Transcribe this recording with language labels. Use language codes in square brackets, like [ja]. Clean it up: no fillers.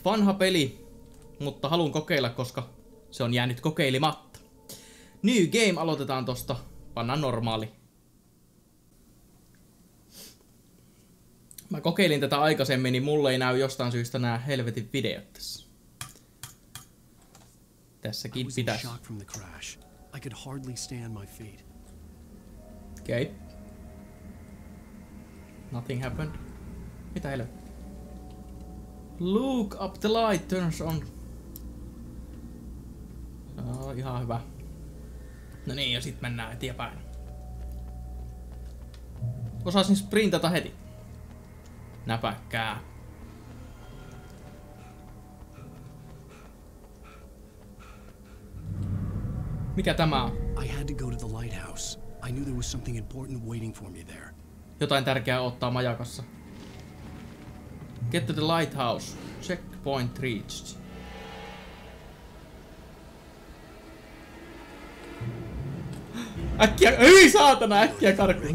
[fi] Vanha peli, mutta haluan kokeilla, koska se on jäänyt kokeilematta. [en] New game, [fi] aloitetaan tosta. Pannaan normaali. Mä kokeilin tätä aikaisemmin, niin mulle ei näy jostain syystä nää helvetin videot tässä. Tässäkin pitäis. [en] I could hardly stand my feet. Okay. Nothing happened. [fi] Mitä helvet? [en] Look up, the light turns on. [fi] Ihan hyvä. No niin, ja sit mennään eteenpäin. Osaisin sprintata heti. Näpäkkää. Mikä tämä on? [en] I had to go to the lighthouse. I knew there was something important waiting for me there. [fi] Jotain tärkeää ottaa majakassa. [en] Get to the lighthouse. Checkpoint reached. [fi] Äkkiä, ei saatana, äkkiä karkuun.